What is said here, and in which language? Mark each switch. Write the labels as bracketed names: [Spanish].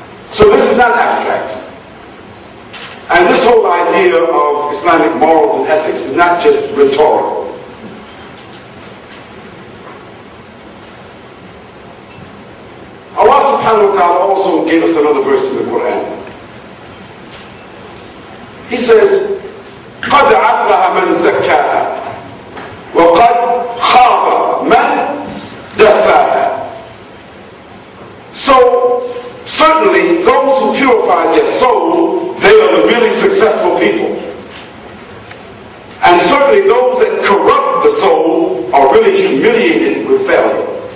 [English] So this is not abstract. And this whole idea of Islamic morals and ethics is not just rhetorical. Allah subhanahu wa ta'ala also gave us another verse in the Quran. He says, [Arabic] قَدْ عَفْلَهَ مَنْ زَكَّاهَا وَقَدْ خَابَ مَنْ دَسَّاهَا. [English] So, certainly, those who purify their soul, they are the really successful people. And certainly, those that corrupt the soul are really humiliated with failure.